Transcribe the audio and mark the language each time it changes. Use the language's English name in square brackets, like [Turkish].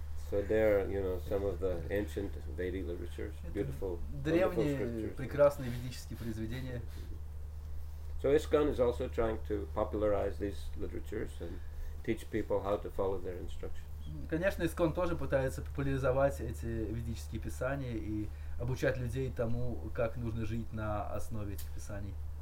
[English] So there, you know, some of the ancient Vedic literature, beautiful, [Russian] древние прекрасные ведические произведения. [English] So ISKCON is also trying to popularize these literatures and teach people how to follow their instructions. [Russian] Конечно, ИСКОН тоже пытается популяризовать эти ведические писания и обучать людей тому, как нужно жить на основе этих писаний.